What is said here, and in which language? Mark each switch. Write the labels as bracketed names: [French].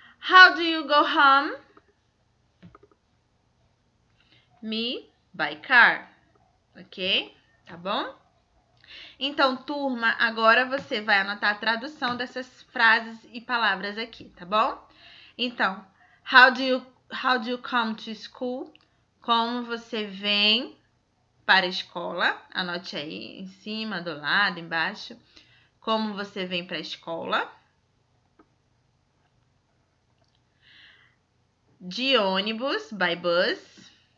[English] How do you go home? Me, by car. Ok? Tá bom? [Portuguese] Então, turma, agora você vai anotar a tradução dessas frases e palavras aqui, tá bom? [English] Então, how do you come to school? [Portuguese] Como você vem para a escola? Anote aí em cima, do lado, embaixo. Como você vem para a escola? De ônibus, by bus.